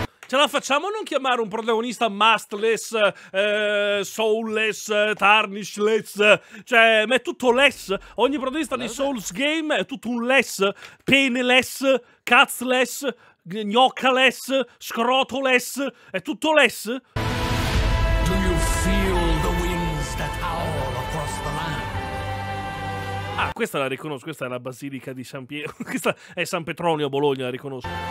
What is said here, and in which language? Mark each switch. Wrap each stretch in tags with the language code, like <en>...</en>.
<it>Ce la facciamo a non chiamare un protagonista mastless, soulless, tarnishless? Cioè, ma è tutto less. Ogni protagonista di Souls Game è tutto un less. Peneless, cazzless, gnoccaless, scrotoless, è tutto less.</it> <en>Do you feel the winds that howl across the land?</en> <it>Ah, questa la riconosco, questa è la Basilica di San Pietro. Questa è San Petronio a Bologna, la riconosco.</it>